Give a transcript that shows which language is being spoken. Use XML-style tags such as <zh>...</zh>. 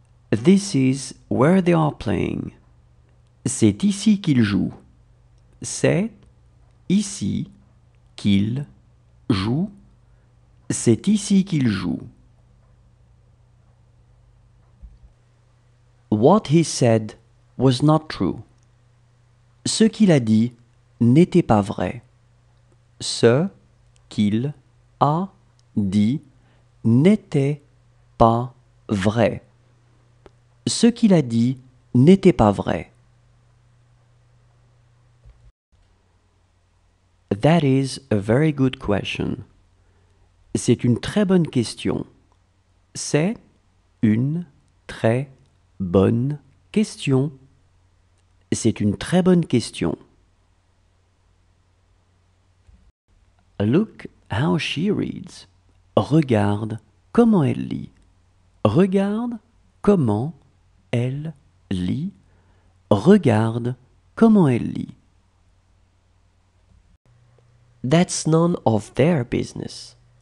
<en>This is where they are playing.</en> <fr>C'est ici qu'ils jouent. C'est ici qu'ils jouent. C'est ici qu'ils jouent.</fr> <en>What he said was not true.</en> <fr>Ce qu'il a dit n'était pas vrai. Ce qu'il a dit n'était pas vrai. Ce qu'il a dit n'était pas vrai.</fr> <en>That is a very good question.</en> <fr>C'est une très bonne question. C'est une très bonne question. C'est une très bonne question.</fr> <en>Look how she reads.</en> <fr>Regarde comment elle lit. Regarde comment elle lit. Regarde comment elle lit.</fr> <en>That's none of their business.</en>